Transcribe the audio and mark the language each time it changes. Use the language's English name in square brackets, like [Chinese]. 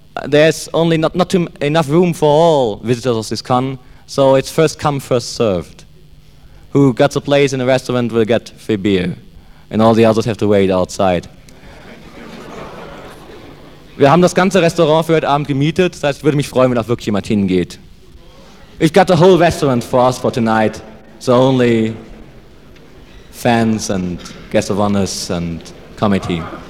[English] There's only not enough room for all visitors of this con, so it's first come, first served. who gets a place in a restaurant will get free beer, and all the others have to wait outside. [German] Wir haben das ganze Restaurant für heute Abend gemietet, das heißt, ich würde mich freuen, wenn auch wirklich jemand hingeht. [English] We've got the whole restaurant for us for tonight, so only fans and guests of honors and committee.